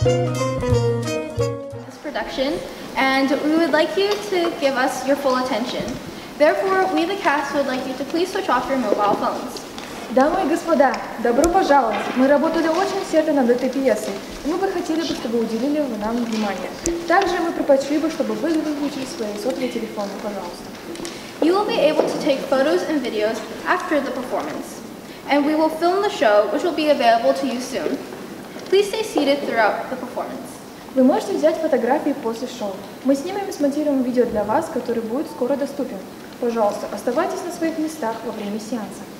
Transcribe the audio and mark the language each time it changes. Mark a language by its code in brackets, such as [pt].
[en] direction, and we would like you to give us your full attention. Therefore, we the cast would like you to please switch off your mobile phones. [ru] Дамы и господа, добро пожаловать. Мы работали очень сердито над этой пьесой. Мы бы хотели, чтобы вы уделили нам внимание. Также мы предпочли бы, чтобы вы выключили свои сотовые телефоны, пожалуйста. [en] You will be able to take photos and videos after the performance. And we will film the show, which will be available to you soon. Please stay seated throughout the performance. [ru] Вы можете взять фотографии после шоу. Мы снимем и смонтируем видео для вас, который будет скоро доступен. Пожалуйста, оставайтесь на своих местах во время сеанса.